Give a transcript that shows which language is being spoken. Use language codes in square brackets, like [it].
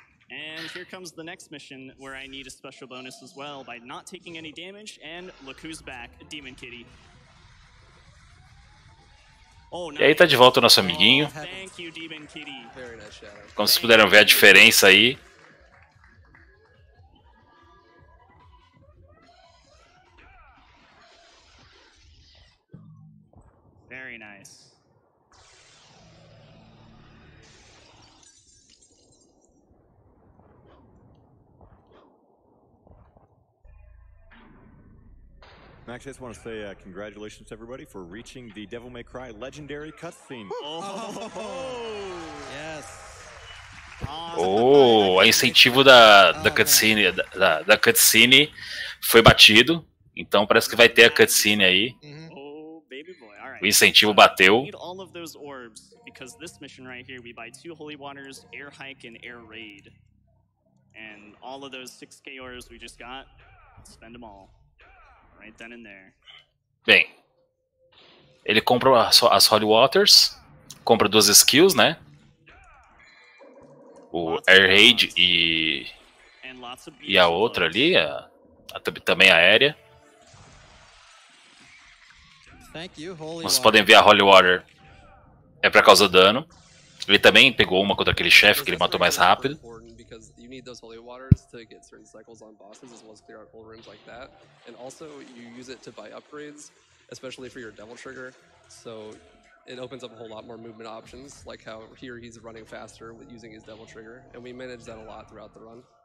[en] And here comes the next mission where I need a special bonus as well by not taking any damage. And look who's back, a demon kitty. Oh, nice. [pt] E aí tá de volta o nosso amiguinho. [en] Thank you, demon kitty. Very nice shadow. [pt] Como vocês puderam ver a diferença aí. [en] Very nice. Max, I just want to say congratulations to everybody for reaching the Devil May Cry legendary cutscene. Oh! Yes. [pt] Oh, a incentivo da cutscene da cutscene foi batido. Então parece que vai ter a cutscene aí. [en] Oh, baby boy. All right. [pt] O incentivo bateu. [en] We need all of those orbs because this mission right here we buy two holy waters, air hike and air raid. And all of those 6k orbs we just got, spend them all. Right then and there. [pt] Bem, ele compra as Holy Waters, compra duas skills, né? O Air Raid e a outra ali, também a aérea. Vocês podem ver a Holy Water é pra causar dano. Ele também pegou uma contra aquele chefe que ele matou mais rápido. [en] You need those holy waters to get certain cycles on bosses as well as clear out whole rooms like that. And also you use it to buy upgrades, especially for your devil trigger. So it opens up a whole lot more movement options, like how here he's running faster with using his devil trigger. And we manage that a lot throughout the run.